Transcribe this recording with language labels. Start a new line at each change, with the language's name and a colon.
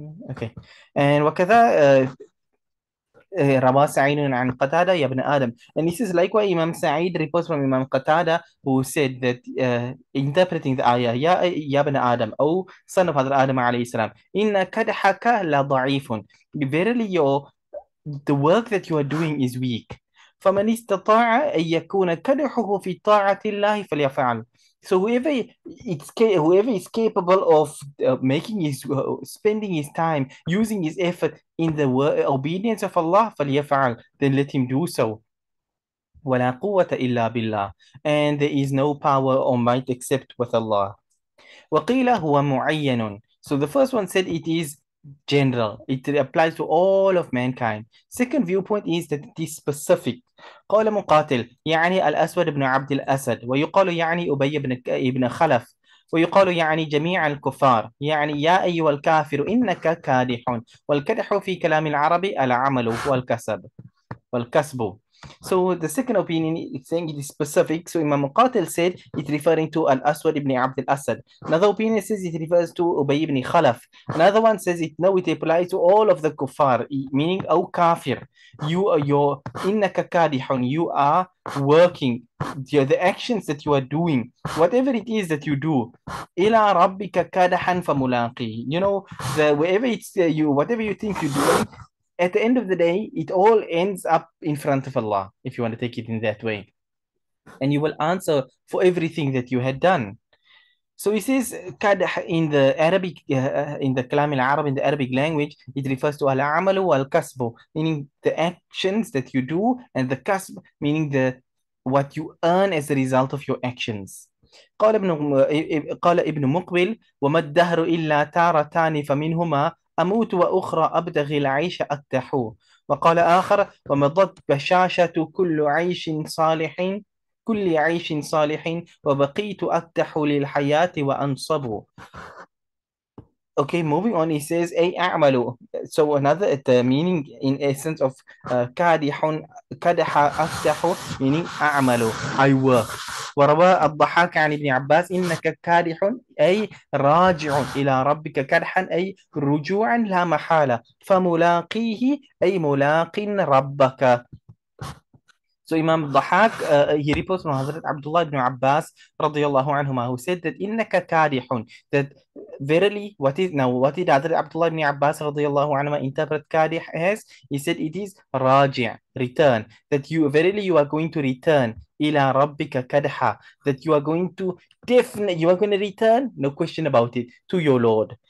English: Okay, and
Arabic: وَكَذَا رَوَى سَعِيدٌ عَنْ قَتَادَ يَبْنَ آدَمَ.
English: And this is likewise Imam Sa'id reports from Imam Qatada, who said that interpreting the ayah,
Arabic: يَا يَبْنَ آدَمَ,
English: O son of Hazrat Adam عليه السلام,
Arabic: إِنَّ كَدْحَكَ لَضَعِيفٌ.
English: Verily, the work that you are doing is weak.
Arabic: فَمَنْ إِسْتَطَاعَ أَنْ يَكُونَ كَدْحُهُ فِي طَاعَةِ اللَّهِ فَلْيَفْعَلْ.
English: So whoever is capable of making his spending his time, using his effort in the obedience of Allah, فليفعل, then let him do so.
Arabic: وَلَا قُوَّةَ إِلَّا بِاللَّهِ.
English: And there is no power or might except with Allah.
Arabic: وَقِيلَ هُوَ مُعَيَّنٌ.
English: So the first one said it is general, it applies to all of mankind. Second viewpoint is that it is specific.
Arabic: قال مقاتل يعني الأسود بن عبد الأسد ويقال يعني أبي بن خلف ويقال يعني جميع الكفار يعني يا أيها الكافر إنك كادح. والكدح في كلام العربي العمل والكسب. والكسب.
English: So the second opinion is saying it is specific. So Imam Qatil said it's referring to Al-Aswad ibn Abd al-Asad. Another opinion says it refers to Ubay ibn Khalaf. Another one says it, no, it applies to all of the kuffar, meaning, O kafir, you are your
Arabic: innaka kadihun,
English: you are working. The actions that you are doing, whatever it is that you do,
Arabic: ila rabbika kadahan famulaqi.
English: You know, the, wherever it's you, whatever you think you're doing, at the end of the day, it all ends up in front of Allah, if you want to take it in that way. And you will answer for everything that you had done. So he says, kadah in the Arabic, in the Kalam al-Arab, in the Arabic language, it refers to al-amalu wal-kasbu, meaning the actions that you do, and the kasb, meaning the what you earn as a result of your actions.
Arabic: قال ابن مقبل وما الدهر إلا تارتان فمنهما أموت وأخرى أبتغي العيش أفتح وقال آخر ومضت بشاشة كل عيش صالح كل عيش صالح وبقيت أفتح للحياة وأنصب.
English: Okay, moving on, he says,
Arabic: أي أعمل.
English: So another the meaning in essence of كادح كدح أفتح meaning أعمل, I work.
Arabic: وروى الضحاك عن ابن عباس إنك كادح أي راجع إلى ربك كدحا أي رجوعا لا محالة فملاقيه أي ملاق ربك.
English: So Imam al-Dhahhak, he reports from Hazrat Abdullah ibn Abbas radiyallahu anhuma, who said that
Arabic: innaka kadihun,
English: that verily, what is now, what did Hazrat Abdullah ibn Abbas radiyallahu anhuma interpret kadih as? He said it is raji', return, that you verily you are going to return
Arabic: ila rabbika kadha,
English: that you are going to definitely, you are going to return, no question about it, to your Lord.